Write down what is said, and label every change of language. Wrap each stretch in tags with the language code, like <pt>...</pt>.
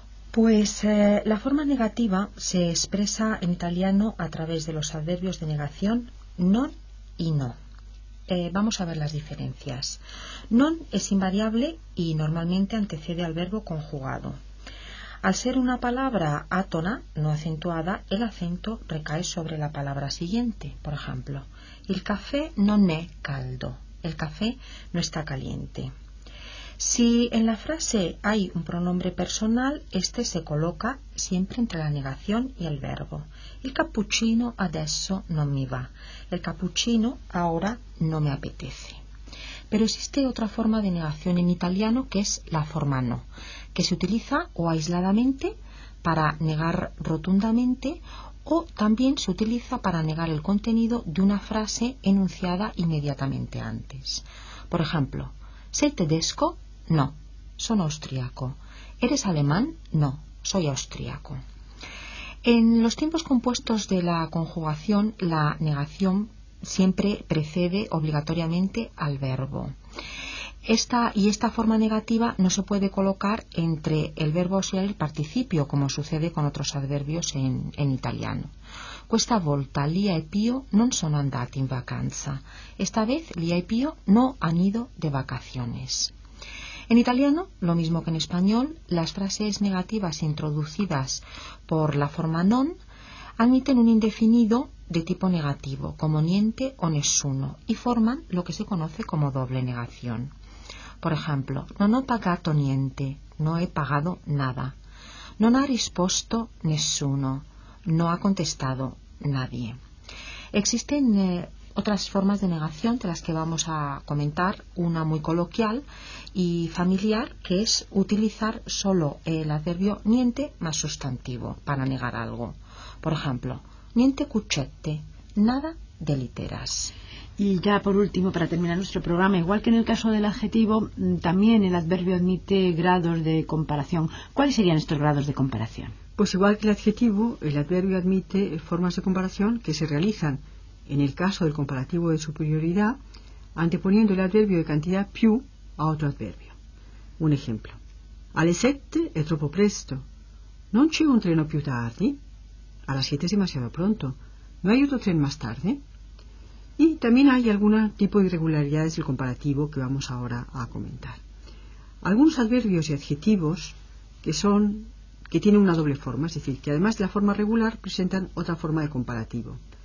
<es>Pues la forma negativa se expresa en italiano a través de los adverbios de negación non y no. Vamos a ver las diferencias. Non es invariable y normalmente antecede al verbo conjugado. Al ser una palabra átona, no acentuada, el acento recae sobre la palabra siguiente. Por ejemplo,</es> <it>il caffè non è caldo.</it> <es>El café no está caliente. Si en la frase hay un pronombre personal, este se coloca siempre entre la negación y el verbo.</es> <it>Il cappuccino adesso non mi va.</it> <es>El cappuccino ahora no me apetece. Pero existe otra forma de negación en italiano, que es la forma no, que se utiliza o aisladamente para negar rotundamente o también se utiliza para negar el contenido de una frase enunciada inmediatamente antes. Por ejemplo,</es> <it>¿sei tedesco?</it> <es>No, soy austriaco. ¿Eres alemán? No, soy austriaco. En los tiempos compuestos de la conjugación, la negación siempre precede obligatoriamente al verbo. Esta forma negativa no se puede colocar entre el verbo auxiliar y el participio, como sucede con otros adverbios en italiano.</es> <it>Questa volta Lia e Pio non sono andati in vacanza.</it> <es>Esta vez Lia e Pio no han ido de vacaciones. En italiano, lo mismo que en español, las frases negativas introducidas por la forma non admiten un indefinido de tipo negativo, como niente o nessuno, y forman lo que se conoce como doble negación. Por ejemplo,</es> <it>non ho pagato niente,</it> <es>no he pagado nada.</es> <it>Non ha risposto nessuno,</it> <es>no ha contestado nadie. Existen otras formas de negación de las que vamos a comentar, una muy coloquial y familiar, que es utilizar solo el adverbio niente más sustantivo para negar algo. Por ejemplo,</es> <it>niente cuchette,</it> <es>nada de literas. Y ya por último, para terminar nuestro programa, igual que en el caso del adjetivo, también el adverbio admite grados de comparación. ¿Cuáles serían estos grados de comparación? Pues igual que el adjetivo, el adverbio admite formas de comparación que se realizan, en el caso del comparativo de superioridad, anteponiendo el adverbio de cantidad più a otro adverbio. Un ejemplo.</es> <it>Alle sette è troppo presto. Non c'è un treno più tardi.</it> <es>A las siete es demasiado pronto. No hay otro tren más tarde. Y también hay algún tipo de irregularidades del comparativo que vamos ahora a comentar. Algunos adverbios y adjetivos que tienen una doble forma, es decir, que además de la forma regular presentan otra forma de comparativo.</es>